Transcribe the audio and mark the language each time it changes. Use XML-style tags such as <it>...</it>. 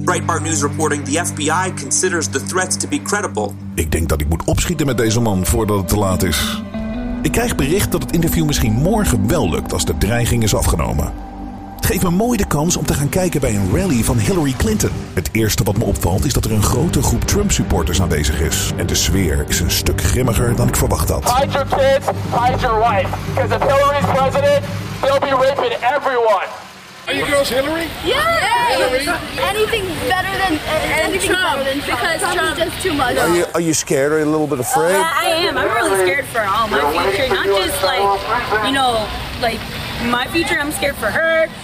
<en>Breitbart News reporting the FBI considers the threats to be credible.</en> <nl>Ik denk dat ik moet opschieten met deze man voordat het te laat is. Ik krijg bericht dat het interview misschien morgen wel lukt als de dreiging is afgenomen. Het geeft me mooi de kans om te gaan kijken bij een rally van Hillary Clinton. Het eerste wat me opvalt is dat er een grote groep Trump-supporters aanwezig is. En de sfeer is een stuk grimmiger dan ik verwacht had.</nl> <en>Hide your kids, hide your wife. Because if Hillary's president, they'll be raping everyone. Are you girls Hillary? Yes! Hillary. Anything better than anything Trump, better than Trump. Because Trump is just too much. Are you scared? Are you a little bit afraid? I am. I'm really scared for all my future. Not just my future. I'm scared for her.</en>